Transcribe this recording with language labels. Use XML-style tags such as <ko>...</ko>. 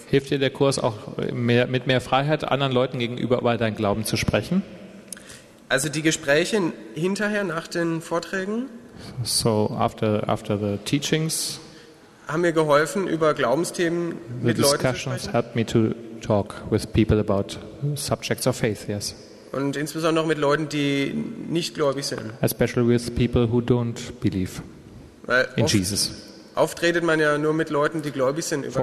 <de>Hilft dir der Kurs auch mehr, mit mehr Freiheit anderen Leuten gegenüber über deinen Glauben zu sprechen? Also die Gespräche hinterher nach den Vorträgen?</de> <en>So after the teachings.</en> <de>Haben mir geholfen, über Glaubensthemen mit Leuten zu sprechen.</de> <en>The discussions helped me to talk with people about subjects of faith. Yes.</en> <de>Und insbesondere auch mit Leuten, die nicht gläubig sind.</de> <en>Especially with people who don't believe in Jesus.</en> <de>Oft redet man ja nur mit Leuten, die gläubig sind, über</de>